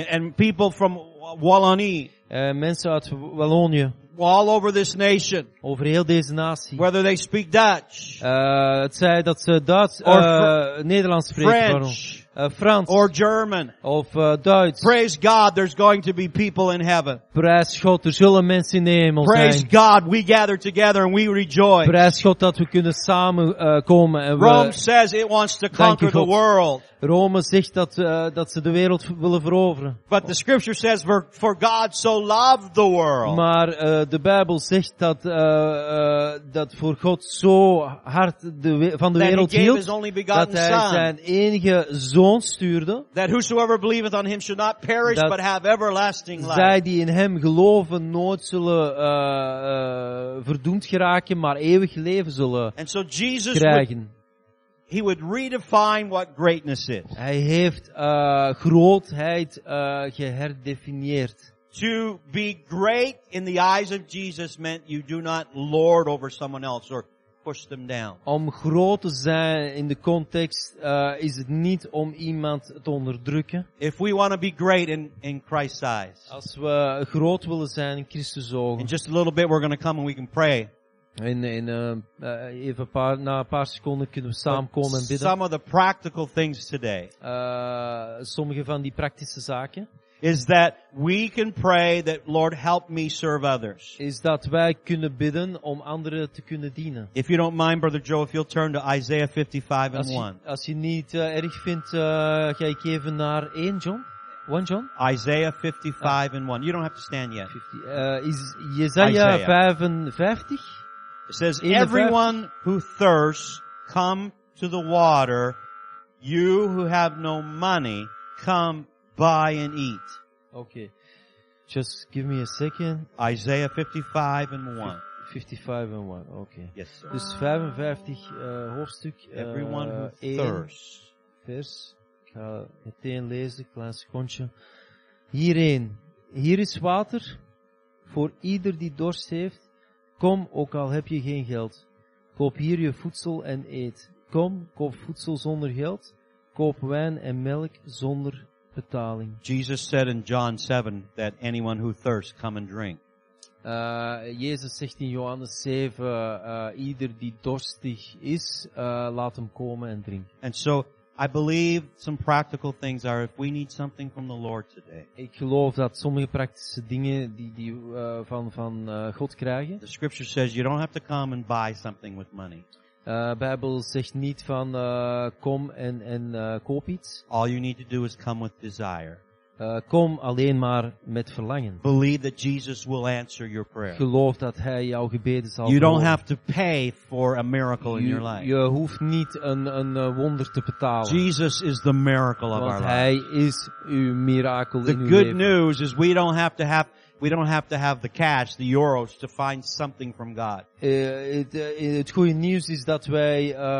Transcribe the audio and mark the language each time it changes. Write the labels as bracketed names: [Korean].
[English] and people from Wallonie, [Dutch] mensen uit Wallonië, [English] all over this nation, [Dutch] over heel deze natie, [English] whether they speak Dutch, [Dutch] het zij dat ze Duits, Nederlands spreken, [English] French. [Dutch] Frans [English] or German. [Dutch] Of Duits. [English] Praise God, there's going to be people in heaven. [Dutch] Prijs God, er zullen mensen in de hemel zijn. [English] Praise God, we gather together and we rejoice. [Dutch] Prijs God dat we kunnen samen komen en [English] Rome says it wants to conquer the world. [Dutch] Rome zegt dat dat ze de wereld willen veroveren. [English] But the scripture says for God so loved the world. [Dutch] Maar de Bijbel zegt dat dat voor God zo hard van de wereld hield dat hij zijn enige zoon stuurde. [English] That whosoever believeth on him should not perish but have everlasting life. [Dutch] Zij die in hem geloven nooit zullen verdoemd geraken maar eeuwig leven zullen krijgen. [English] And so Jesus [Dutch] krijgen. [English] He would redefine what greatness is. [Dutch] Hij heeft grootheid geherdefinieerd. [English] To be great in the eyes of Jesus meant you do not lord over someone else or push them down. [Dutch] Om groot te zijn in de context is het niet om iemand te onderdrukken. [English] If we want to be great in Christ's eyes. [Dutch] Als we groot willen zijn in Christus' ogen. [English] In just a little bit we're going to come and we can pray. [Dutch] Na een paar seconden kunnen we samen komen en bidden. [English] Some of the practical things today. [Dutch] Sommige van die praktische zaken. [English] Is that we can pray that Lord help me serve others. [Dutch] Is dat wij kunnen bidden om anderen te kunnen dienen. [English] If you don't mind, Brother Joe, if you'll turn to Isaiah 55 and 1. [Dutch] Als je niet erg vindt, ga ik even naar 1 John. [English] 1 John. Isaiah 55 and 1. You don't have to stand yet. Isaiah 55. It says, everyone who thirsts, come to the water. You who have no money, come buy and eat. Okay. Just give me a second. Isaiah 55 and 1. 55 and 1. Okay. Yes, sir. [Dutch] Dus 55, hoofdstuk. [English] Everyone who thirsts. [Dutch] Vers. Ik ga meteen lezen, klein secondje. Hierin. Hier is water voor ieder die dorst heeft. Kom, ook al heb je geen geld. Koop hier je voedsel en eet. Kom, koop voedsel zonder geld. Koop wijn en melk zonder betaling. [English] Jesus said in John 7 that anyone who thirsts, come and drink. [Dutch] Jezus zegt in Johannes 7, ieder die dorstig is, laat hem komen en drinken. [English] And so, I believe some practical things are if we need something from the Lord today. [Dutch] Ik geloof dat sommige praktische dingen die van God krijgen. [English] The scripture says you don't have to come and buy something with money. [Dutch] Bijbel zegt niet van kom en koop iets. [English] All you need to do is come with desire. [Dutch] Kom alleen maar met verlangen. [English] Believe that Jesus will answer your prayer. [Dutch] Geloof dat Hij jouw gebeden zal. [English] You don't have to pay for a miracle in your life. [Dutch] Je hoeft niet een wonder te betalen. [English] Jesus is the miracle of our life. [Dutch] Want Hij is uw mirakel in uw leven. [English] The good news is we don't have to have the cash, the euros, to find something from God. [Dutch] Het goede nieuws is dat wij